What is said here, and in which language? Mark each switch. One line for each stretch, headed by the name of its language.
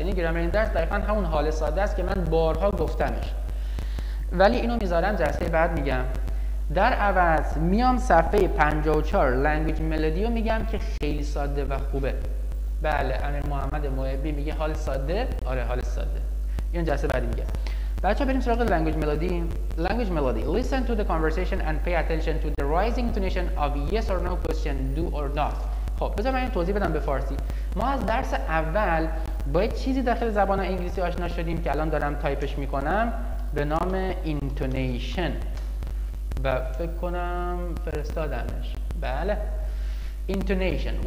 Persian: یعنی گرامر این درس دقیقا همون حال ساده است که من بارها گفتمش، ولی اینو میذارم جلسه بعد میگم. در عوض میام صفحه 54 لنگویج ملودی رو میگم که خیلی ساده و خوبه. بله امیر محمد محبی میگه حال ساده. آره حال ساده. این جلسه بعدی میگه. بچه بریم سراغ لنگویج ملودی. لنگویج ملودی.
English: Listen to the conversation and pay attention to the rising intonation of yes or no question, do or not.
Persian: خب بذار من این توضیح بدم به فارسی. ما از درس اول با چیزی داخل زبان انگلیسی آشنا شدیم که الان دارم تایپش میکنم به نام intonation. و فکر کنم فرستادمش. بله intonation.